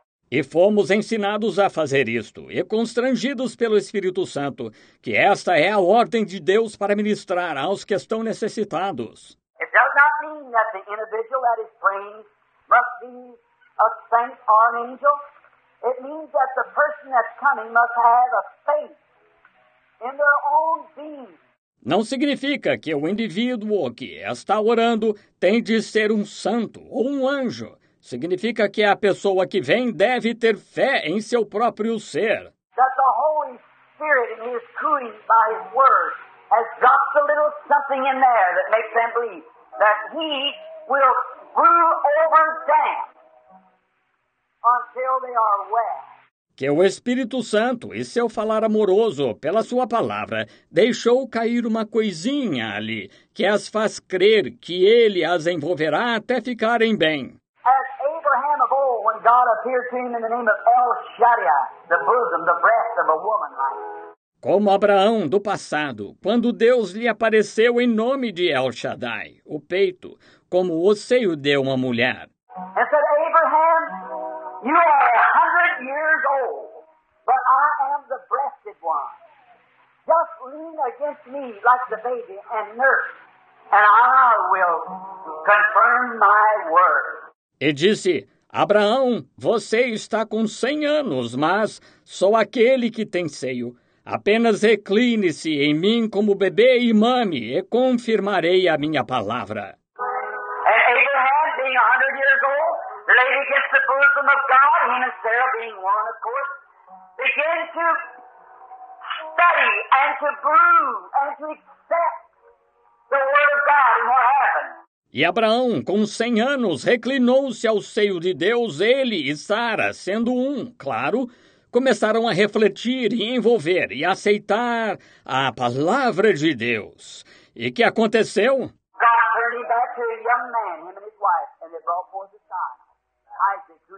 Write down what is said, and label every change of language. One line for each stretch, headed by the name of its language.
Portuguese: E fomos ensinados a fazer isto, e constrangidos pelo Espírito Santo, que esta é a ordem de Deus para ministrar aos que estão necessitados.
English: It does not mean that the individual that is praying must be a saint or an angel. It means that the person that's coming must have a faith in their own being.
Portuguese: Não significa que o indivíduo que está orando tem de ser um santo ou um anjo. Significa que a pessoa que vem deve ter fé em seu próprio ser.
English: That the Holy Spirit in his cooing by his word has dropped a little something in there that makes them believe that he will rule over them until they are well.
Portuguese: Que o Espírito Santo e seu falar amoroso pela sua palavra deixou cair uma coisinha ali que as faz crer que ele as envolverá até ficarem bem.
English: As Abraham of old, when God appeared to him in the name of El Shaddai, the bosom, the breast of a woman like.
Portuguese: Como Abraão do passado, quando Deus lhe apareceu em nome de El Shaddai, o peito, como o seio de uma mulher.
English: E said, Abraham, you are 100 years old, but I am the breasted one. Just lean against me like the baby and nurse, and I will confirm my word.
Portuguese: E disse, Abraão, você está com 100 anos, mas sou aquele que tem seio. Apenas recline-se em mim como bebê e mame, e confirmarei a minha palavra.
English: And Abraham, being 100 years old, laid against the bosom of God, him and Sarah being one, of course, began to study and to brood and to accept the word of God and what happened.
Portuguese: E Abraão, com 100 anos, reclinou-se ao seio de Deus, ele e Sara, sendo um, claro, começaram a refletir e envolver e aceitar a palavra de Deus. E que aconteceu?
English: God turned him back to a young man, him and his wife, and they brought forth a son.